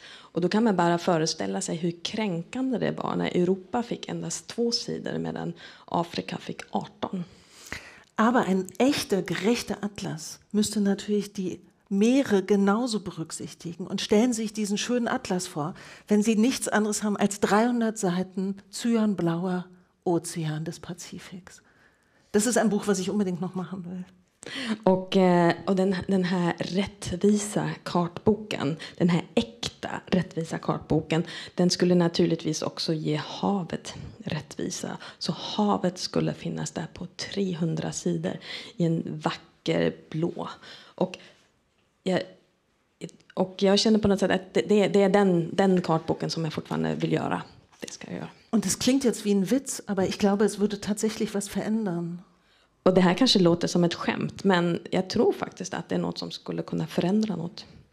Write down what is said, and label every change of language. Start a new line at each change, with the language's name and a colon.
Swedish: Och då kan man bara föreställa sig hur kränkande det var när Europa fick endast 2 sidor medan Afrika fick 18.
German: Aber ein echter gerechter Atlas müsste natürlich die Meere genauso berücksichtigen. Und stellen Sie sich diesen schönen Atlas vor, wenn Sie nichts anderes haben als 300 Seiten cyanblauer Ozean des Pazifiks. Das ist ein Buch, was ich unbedingt noch machen will.
Swedish: Och den här rättvisa kartboken, den här äkta rättvisa kartboken, den skulle naturligtvis också ge havet rättvisa. Så havet skulle finnas där på 300 sidor i en vacker blå. Och jag känner på något sätt att det är den kartboken som jag fortfarande vill göra. Det ska jag göra.
German: Und es klingt jetzt wie ein Witz, aber ich glaube, es würde tatsächlich was verändern.
Swedish: Och det här kanske låter som ett skämt, men jag tror faktiskt att det är något som skulle kunna förändra något.